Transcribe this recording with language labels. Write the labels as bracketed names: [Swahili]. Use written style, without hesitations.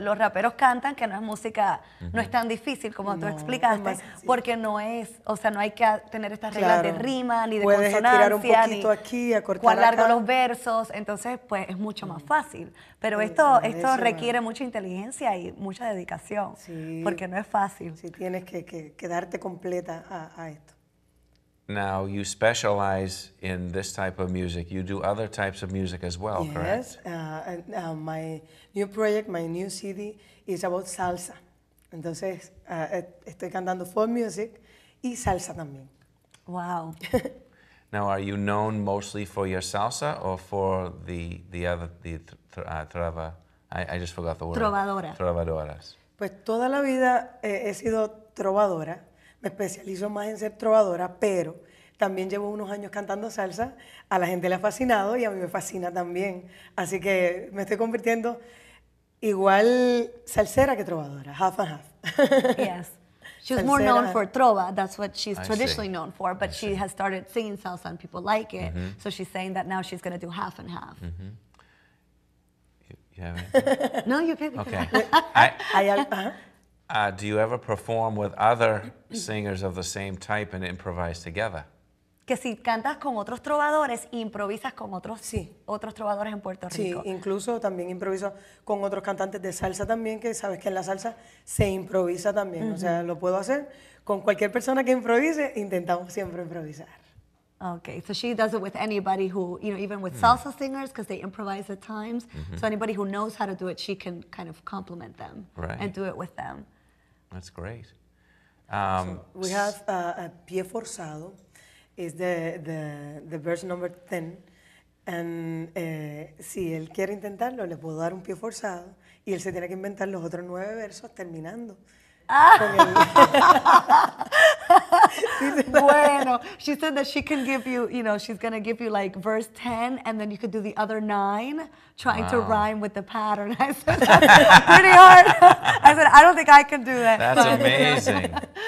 [Spanish] los raperos cantan, que no es música, mm-hmm. no es tan difícil como no, tú explicaste, no porque no es, o sea, no hay que tener estas reglas claro. de rima, ni de Puedes consonancia, un poquito ni aquí, acortar cuán largo acá. Los versos. Entonces, pues, es mucho más fácil. Pero esto requiere mucha inteligencia y mucha dedicación, sí. porque no es fácil. Sí, tienes que quedarte completa a esto. [English] Now, you specialize in this type of music. You do other types of music as well, yes, correct? Yes. My new project, my new CD, is about salsa. [Spanish] Entonces, estoy cantando [English] folk music [Spanish] y salsa también. [English] Wow. Now, are you known mostly for your salsa or for the trova? I just forgot the word. [Spanish] Trovadora. Trovadoras. Pues toda la vida he sido trovadora. Me especializo más en ser trovadora, pero también llevo unos años cantando salsa. A la gente le ha fascinado y a mí me fascina también. Así que me estoy convirtiendo igual salsera que trovadora, [English] half and half. Yes. She's more known for trova. That's what she's traditionally known for. But she has started singing salsa and people like it. Mm-hmm. So she's saying that now she's going to do half and half. Mm-hmm. You have anything? No, you can. Okay. Do you ever perform with other singers of the same type and improvise together? [Spanish] Que si cantas con otros trovadores, improvisas con otros, sí. otros trovadores en Puerto Rico. Sí, incluso también improviso con otros cantantes de salsa también, que sabes que en la salsa se improvisa también. Mm-hmm. O sea, lo puedo hacer con cualquier persona que improvise, intentamos siempre improvisar. [English] Okay, so she does it with anybody who, you know, even with salsa singers, because they improvise at times. Mm-hmm. So anybody who knows how to do it, she can kind of compliment them right. and do it with them. That's great. So we have a pie forzado, is the verse number 10. [Spanish] And si él quiere intentarlo, le puedo dar un pie forzado. Y él se tiene que inventar los otros 9 versos terminando. [English] Bueno, she said that she can give you, you know, she's going to give you like verse 10 and then you could do the other 9 trying wow. to rhyme with the pattern. I said, pretty hard. I said, I don't think I can do that. That's amazing.